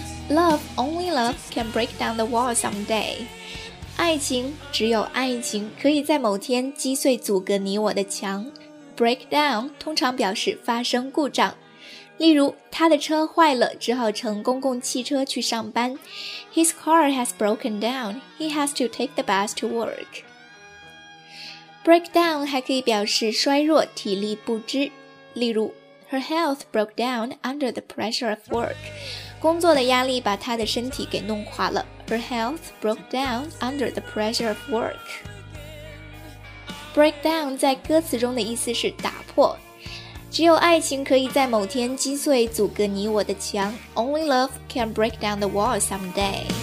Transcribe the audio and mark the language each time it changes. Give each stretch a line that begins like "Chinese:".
English: Love, only love can break down the wall someday.
Chinese: 爱情，只有爱情可以在某天击碎阻隔你我的墙。 Break down 通常表示发生故障，例如他的车坏了，只好乘公共汽车去上班。
English: His car has broken down, he has to take the bus to work. Break down
Chinese: 还可以表示衰弱、体力不支，例如
English: Her health broke down under the pressure of work.
Chinese: 工作的压力把她的身体给弄垮了。
English: Her health broke down under the pressure of work.
Chinese: Breakdown 在歌词中的意思是打破。只有爱情可以在某天击碎阻隔你我的墙。
English: Only love can break down the wall someday.